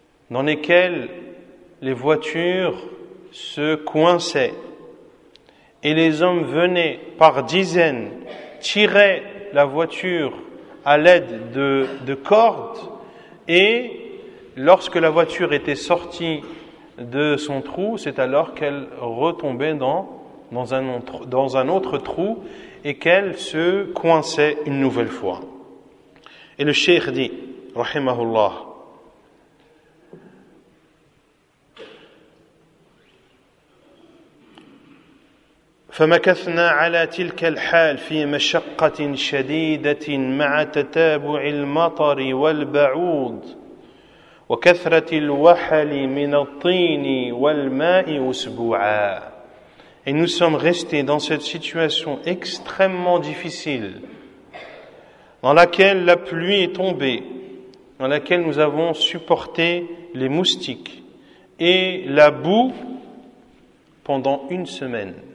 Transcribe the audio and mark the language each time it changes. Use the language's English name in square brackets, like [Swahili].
[French] dans lesquels les voitures se coinçaient et les hommes venaient par dizaines, tiraient la voiture à l'aide de cordes et lorsque la voiture était sortie de son trou, c'est alors qu'elle retombait dans un autre trou et qu'elle se coinçait une nouvelle fois. Et le cheikh dit, [Arabic] rahimahullah, فمكثنا على تلك الحال في مشقة شديدة مع تتابع المطر والبعوض وكثرة الوحل من الطين والماء أسبوعا. [French] Et nous sommes restés dans cette situation extrêmement difficile, dans laquelle la pluie est tombée, dans laquelle nous avons supporté les moustiques et la boue pendant une semaine.